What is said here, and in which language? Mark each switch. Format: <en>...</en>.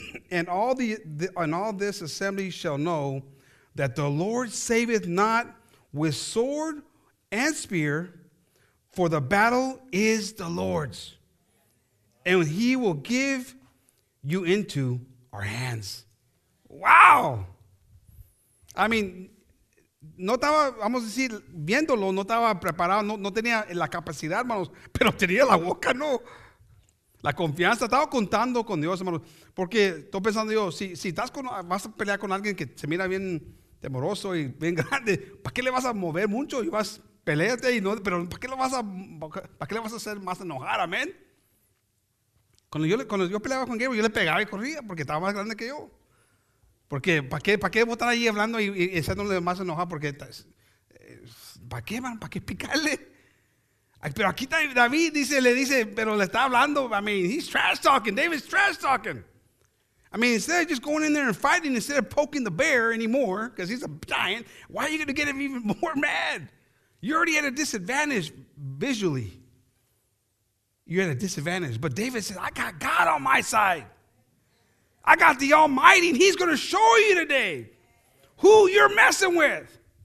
<en>And all this assembly shall know that the Lord saveth not with sword and spear, for the battle is the Lord's, and he will give you into our hands. Wow! I mean,</en> <es>no estaba, vamos a decir, viéndolo, no estaba preparado, no tenía la capacidad, hermanos, pero tenía la boca, no. La confianza, estaba contando con Dios, hermanos, porque estoy pensando yo, si estás con, vas a pelear con alguien que se mira bien temeroso y bien grande, ¿para qué le vas a mover mucho y vas, peléate y no, pero ¿para qué le vas a hacer más enojar, amén? Cuando yo peleaba con Gabriel, yo le pegaba y corría porque estaba más grande que yo. Porque ¿para qué botar ahí hablando y haciéndole más enojar? Porque ¿para qué, man? ¿Para qué picarle? Ay, pero aquí está David, le dice, pero le está hablando.</es> <en>I mean, he's trash talking. David's trash talking. I mean, instead of just going in there and fighting, instead of poking the bear anymore, because he's a giant, why are you going to get him even more mad? You already had a disadvantage visually. You're at a disadvantage. But David says, I got God on my side. I got the Almighty, and he's going to show you today who you're messing with.</en>